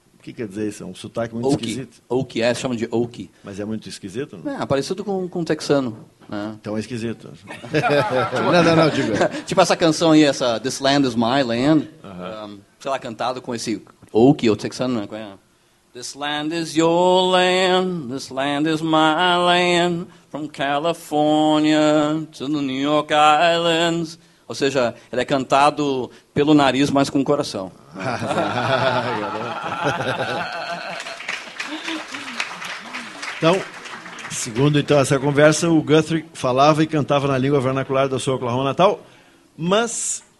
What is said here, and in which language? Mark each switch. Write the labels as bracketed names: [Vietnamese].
[Portuguese] O que quer dizer isso? É um sotaque muito esquisito? Oki, chama de Oki. Mas é muito esquisito? Não? É, parecido com texano. Né? Então é esquisito. não, diga. Tipo essa canção aí, essa This Land Is My Land, sei lá, cantado com esse Oki ou texano, né? [English] This land is your land, this land is my land, from California to the New York Islands. [Portuguese] Ou seja, ele é cantado pelo nariz, mas com o coração. Então, segundo então essa conversa, o Guthrie falava e cantava na língua vernacular da sua Oklahoma natal, mas